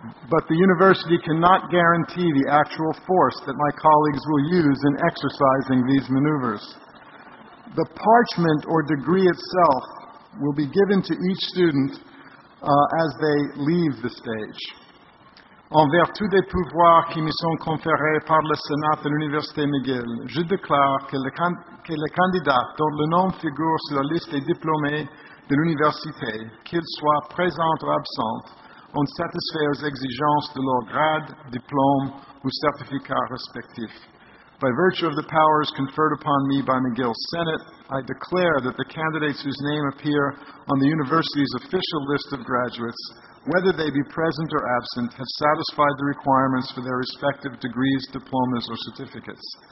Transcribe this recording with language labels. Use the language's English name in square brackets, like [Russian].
[English] But the university cannot guarantee the actual force that my colleagues will use in exercising these maneuvers. The parchment or degree itself will be given to each student as they leave the stage. [French] En vertu des pouvoirs qui me sont conférés par le Sénat de l'Université McGill, je déclare que le candidat dont le nom figure sur la liste des diplômés de l'université, qu'il soit présent ou absent, ont satisfait aux exigences de leur grade, diplôme ou certificat respectif. [English] By virtue of the powers conferred upon me by McGill Senate, I declare that the candidates whose name appear on the university's official list of graduates, whether they be present or absent, have satisfied the requirements for their respective degrees, diplomas, or certificates.